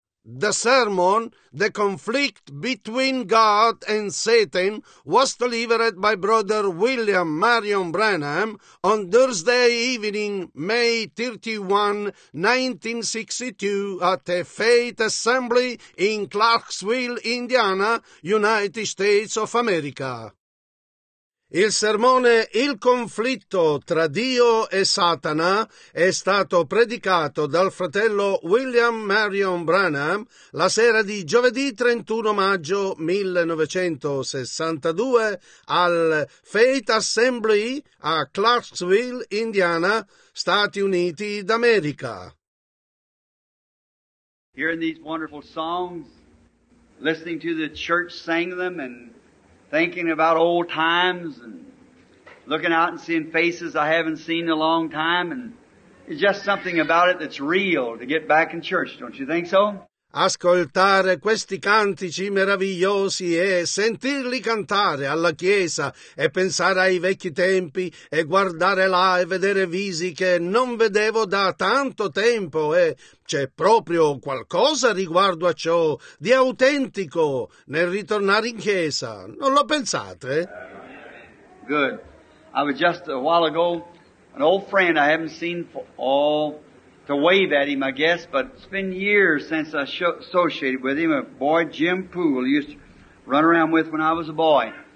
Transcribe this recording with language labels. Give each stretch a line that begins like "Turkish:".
English: The sermon, The Conflict Between God and Satan, was delivered by Brother William Marion Branham on Thursday evening, May 31, 1962, at a faith assembly in Clarksville, Indiana, United States of America.
Italian: Il sermone Il conflitto tra Dio e Satana è stato predicato dal fratello William Marion Branham la sera di giovedì 31 maggio 1962 al Faith Assembly a Clarksville, Indiana, Stati Uniti d'America.
English: Hearing these wonderful songs, listening to the church sing them and thinking about old times and looking out and seeing faces I haven't seen in a long time, and it's just something about it that's real to get back in church, don't you think so?
Italian: Ascoltare questi cantici meravigliosi e sentirli cantare alla chiesa e pensare ai vecchi tempi e guardare là e vedere visi che non vedevo da tanto tempo, e c'è proprio qualcosa riguardo a ciò di autentico nel ritornare in chiesa, non lo pensate?
English: Good. I was just a while ago, an old friend I haven't seen for all to wave at him, I guess, but it's been years since I associated with him, a boy Jim Poole he used to run around with when I was a boy.